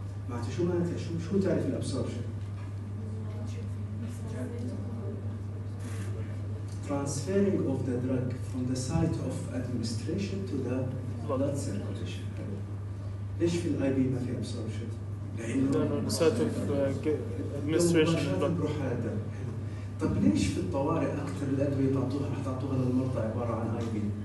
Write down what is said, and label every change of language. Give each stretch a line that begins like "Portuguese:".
Arabic: معناته شو معناته؟ شو تعرف الابسوربشن؟
English: Transferring of the drug from the site of administration to the blood circulation.
Arabic: ليش في الاي بي ما في absorption؟ لانه
English: site of administration
Arabic: بروح على الدم. طب ليش في الطوارئ اكثر الادويه بتعطوها رح تعطوها للمرضى عباره عن اي بي؟